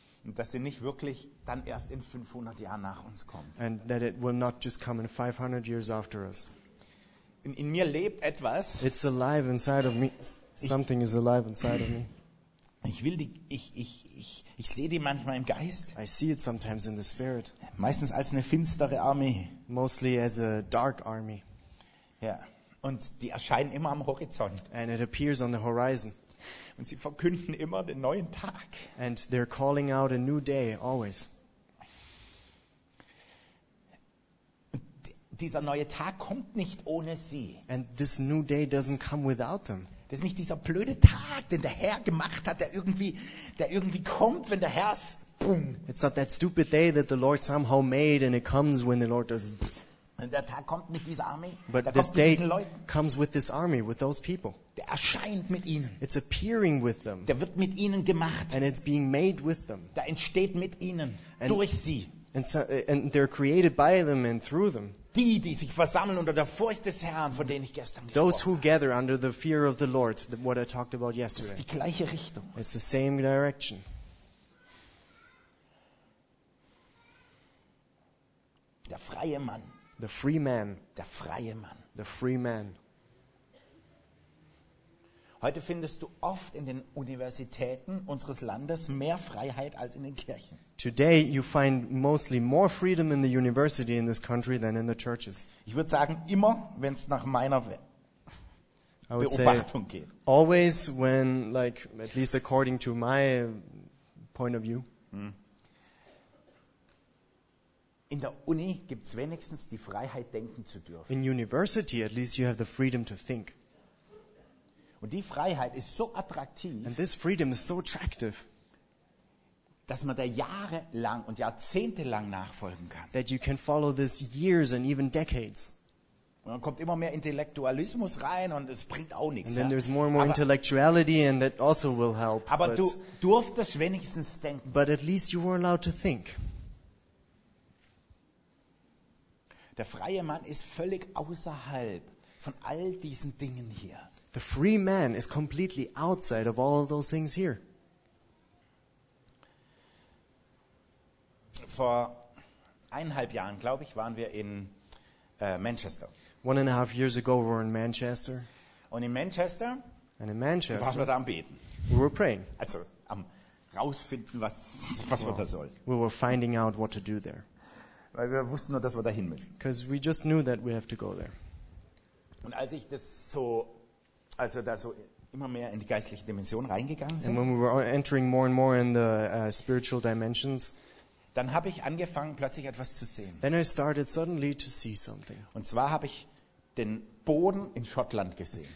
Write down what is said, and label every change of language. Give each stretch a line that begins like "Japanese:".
German: Und dass sie nicht wirklich dann erst in 500 Jahren nach uns kommt.
English: And that it will not just come in 500 years after us.
German: In mir lebt etwas.
English: It's alive inside of me. Something is alive inside of me.
German: Ich will die, ich sehe die manchmal im Geist.
English: I see it sometimes in the spirit.
German: Meistens als eine finstere Armee.
English: Mostly as a dark army.
German: Ja. Und die erscheinen immer am Horizont.
English: And it appears on the horizon.
German: Und sie verkünden immer den neuen Tag.
English: And they're calling out a new day always.
German: Dieser neue Tag kommt nicht ohne sie.
English: And this new day doesn't come without them.
German: Das ist nicht dieser blöde Tag, den der Herr gemacht hat, der irgendwie kommt, wenn der Herr's. Boom.
English: It's not that stupid day that the Lord somehow made and it comes when the Lord does.
German: Und der Tag kommt mit dieser Armee.
English: But
German: der
English: this
German: kommt mit
English: day comes with this army, with those people.
German: Der erscheint mit ihnen.
English: It's appearing with them.
German: Der wird mit ihnen gemacht.
English: And it's being made with them.
German: Da entsteht mit ihnen and, durch sie.
English: And, so, and they're created by them and through them.
German: Die, die sich versammeln unter der Furcht des Herrn, von denen ich gestern gesprochen habe.
English: Those who gather under the fear of the Lord, what I talked about yesterday.
German: Das ist die gleiche Richtung.
English: It's the same direction.
German: Der freie Mann.
English: The free man.
German: Der freie Mann.
English: The free man.
German: Heute findest du oft in den Universitäten unseres Landes mehr Freiheit als in den Kirchen.
English: Today you find mostly more freedom in the university in this country than in the churches.
German: Ich würde sagen immer, wenn es nach meiner Beobachtung geht.
English: Always when, like, at least according to my point of view.
German: In der Uni gibt's wenigstens die Freiheit, denken zu dürfen.
English: In university, at least you have the freedom to think.
German: Und die Freiheit ist so attraktiv.
English: And this freedom is so attractive.
German: Dass man da jahrelang und jahrzehntelang nachfolgen kann.
English: That you can follow this years and even decades.
German: Und dann kommt immer mehr Intellektualismus rein und es bringt auch nichts.
English: And then there's more and more intellectuality and that also will help.
German: Aber du durftest wenigstens denken.
English: But at least you were allowed to think.
German: Der freie Mann ist völlig außerhalb von all diesen Dingen hier.
English: The free man is completely outside of all of those things here.
German: Vor eineinhalb Jahren, glaube ich, waren wir in Manchester.
English: 1.5 years ago we were in Manchester.
German: Und in Manchester, waren wir da am Beten.
English: We were praying.
German: Also am rausfinden, was wir da soll.
English: We were finding out what to do there.
German: Weil wir wussten nur, dass wir dahin müssen.
English: Because we just knew that we have to go there.
German: Und als wir da so immer mehr in die geistliche Dimension reingegangen sind,
English: and when we were entering more and more in the spiritual dimensions,
German: dann habe ich angefangen, plötzlich etwas zu sehen.
English: Then I started suddenly to see something.
German: Und zwar habe ich den Boden in Schottland gesehen.